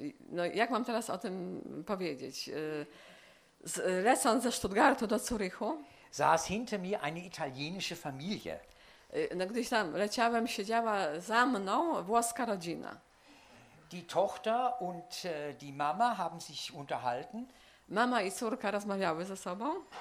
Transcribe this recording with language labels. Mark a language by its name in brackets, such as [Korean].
[Polish] No, jak mam teraz o tym powiedzieć? Lecąc ze Stuttgartu do Zürichu, [German] saß hinter mir eine italienische Familie. [Polish] No, gdy tam leciałem, siedziała za mną włoska rodzina. [German] Die Tochter und die Mama haben sich unterhalten. [Polish] Mama i córka rozmawiały ze sobą.